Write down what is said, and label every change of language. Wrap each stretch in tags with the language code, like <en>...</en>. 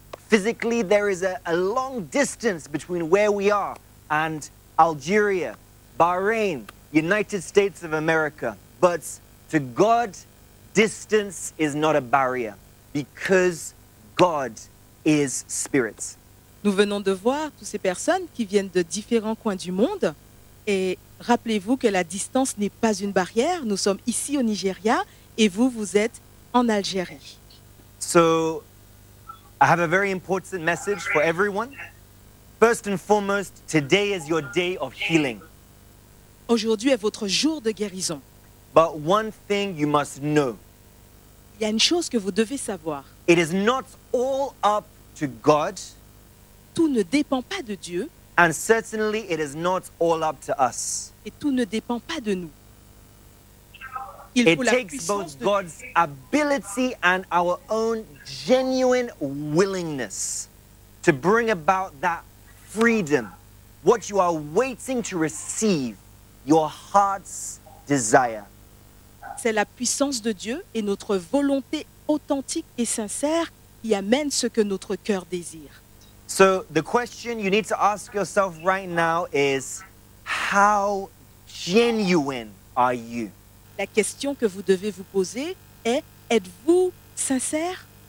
<en>Physically, there is a long distance between where we are and Algeria, Bahrain, United States of America. But to God, distance is not a barrier because God is spirit.</en> <fr>Nous venons de voir toutes ces personnes qui viennent de différents coins du monde. Et rappelez-vous que la distance n'est pas une barrière. Nous sommes ici au Nigeria et vous, vous êtes en Algérie.</fr> <en>So, I have a very important message for everyone. First and foremost, today is your day of healing.</en> <fr>Aujourd'hui est votre jour de guérison.</fr> <en>But one thing you must know.</en> <fr>Il y a une chose que vous devez savoir.</fr> <en>It is not all up to God.</en> <fr>Tout ne dépend pas de Dieu.</fr> <en>And certainly it is not all up to us.</en> <fr>Et tout ne dépend pas de nous.</fr> <en>It takes both God's ability and our own genuine willingness to bring about that freedom, what you are waiting to receive, your heart's desire.</en> <fr>C'est la puissance de Dieu et notre volonté authentique et sincère qui amène ce que notre cœur désire.</fr> <en>So the question you need to ask yourself right now is, how genuine are you?</en> <fr>La question que vous devez vous poser est, êtes-vous sincère?</fr>